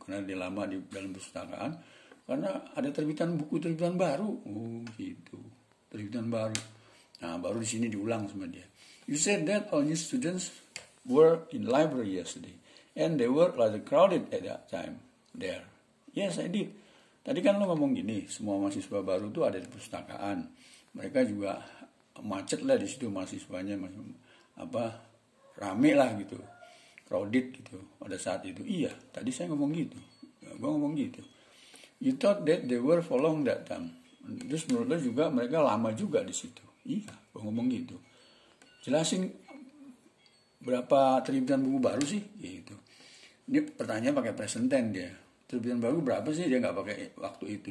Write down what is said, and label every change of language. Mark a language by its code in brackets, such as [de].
[id] Karena dia lama di dalam perpustakaan. Karena ada terbitan buku terbitan baru. Oh gitu. Terbitan baru. Nah baru di sini diulang sama dia. [en] You said that all new students were in library yesterday. And they were rather crowded at that time there. Yes, I did. [id] Tadi kan lo ngomong gini, semua mahasiswa baru tuh ada di perpustakaan. Mereka juga macet lah di situ mahasiswanya, apa rame lah gitu, crowded gitu pada saat itu. Iya, tadi saya ngomong gitu. Gua ngomong gitu. [en] You thought that they were for long that time. [id] Terus menurut lo juga mereka lama juga di situ. Iya, gua ngomong gitu. Jelasin. Berapa terbitan buku baru sih? Gitu. Ini pertanyaan pakai present tense dia. Terbitan baru berapa sih? Dia nggak pakai waktu itu.